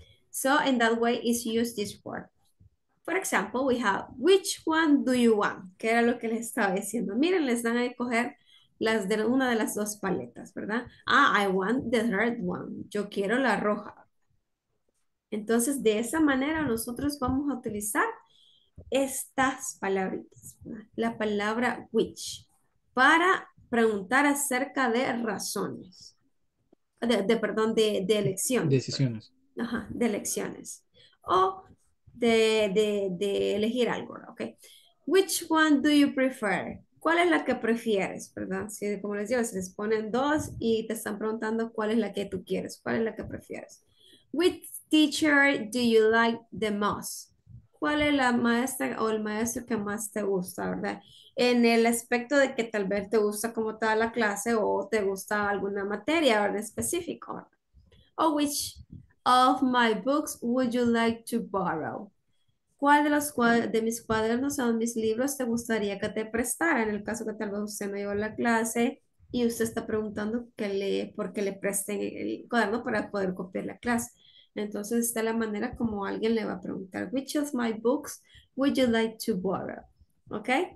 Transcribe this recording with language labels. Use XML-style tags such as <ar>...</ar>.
<en>So, in that way, it's used this word. For example, we have, which one do you want?</en> <es>Que era lo que les estaba diciendo. Miren, les van a coger las de una de las dos paletas, ¿verdad?</es> <en>Ah, I want the red one.</en> <es>Yo quiero la roja. Entonces, de esa manera, nosotros vamos a utilizar estas palabritas, ¿verdad? La palabra which, para preguntar acerca de razones. De elecciones. Decisiones. Ajá, de elecciones. O de elegir algo, ¿ok?</es> <en>Which one do you prefer?</en> <es>¿Cuál es la que prefieres? ¿Verdad? Si, como les digo, se les ponen dos y te están preguntando cuál es la que tú quieres, cuál es la que prefieres.</es> <en>Which teacher do you like the most?</en> <es>¿Cuál es la maestra o el maestro que más te gusta, verdad? En el aspecto de que tal vez te gusta como toda la clase o te gusta alguna materia, ¿verdad? Específico.</es> <en>O which of my books would you like to borrow?</en> <es>¿Cuál de los de mis cuadernos o mis libros te gustaría que te prestara? En el caso que tal vez usted no llevó la clase y usted está preguntando por qué le presten el cuaderno para poder copiar la clase. Entonces, esta es la manera como alguien le va a preguntar,</es> <en>which of my books would you like to borrow?</en> <es>¿Ok?</es>